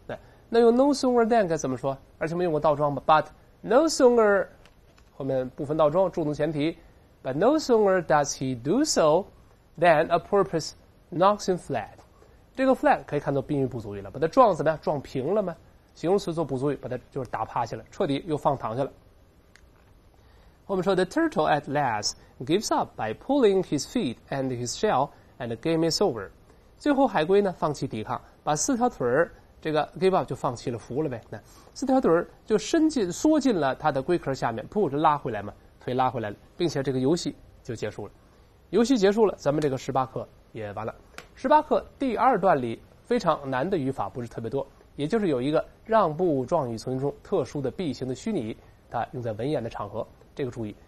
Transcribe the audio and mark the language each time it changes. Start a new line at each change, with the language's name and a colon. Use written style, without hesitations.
Chinese: 对，那用
English: no sooner than
Chinese: 该怎么说？而且没用过倒装吧 ？
English: But no sooner
Chinese: 后面部分倒装助动前提 ，
English: but no sooner does he do so than a purpose。 Knocks him flat，
Chinese: 这个 flat 可以看作宾语补足语了，把它撞怎么样？撞平了吗？形容词做补足语，把它就是打趴下了，彻底又放躺下了。我们说
English: ，the turtle at last gives up by pulling his feet and his shell, and the game is over。
Chinese: 最后海龟呢放弃抵抗，把四条腿这个
English: give up
Chinese: 就放弃了，服了呗。那四条腿就缩进了它的龟壳下面，噗就拉回来嘛，腿拉回来了，并且这个游戏就结束了。游戏结束了，咱们这个十八课。也完了，十八课第二段里非常难的语法不是特别多，也就是有一个让步状语从句中特殊的 be 型的虚拟，它用在文言的场合，这个注意。